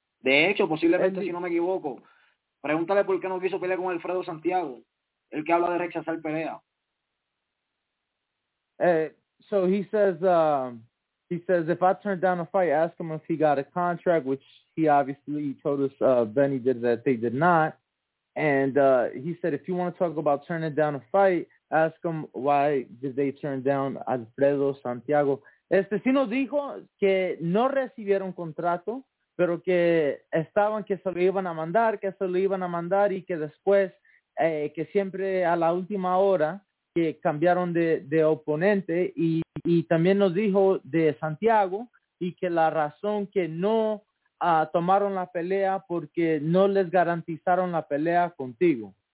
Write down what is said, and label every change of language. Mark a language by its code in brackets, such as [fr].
[es] De hecho, posiblemente, si no me equivoco, pregúntale por qué no quiso pelear con Alfredo Santiago, el que habla de rechazar pelea. [en] So he says, if I turned down a fight, ask him if he got a contract, which he obviously told us, Benny did, that they did not. And he said, if you want to talk about turning down a fight, ask him why did they turn down Alfredo Santiago. [es] Este sí nos dijo que no recibieron contrato, pero que estaban, que se lo iban a mandar, que se lo iban a mandar, y que después, que siempre a la última hora, que cambiaron de oponente, y también nos dijo de Santiago, y que la razón que no tomaron la pelea porque no les garantizaron la pelea contigo.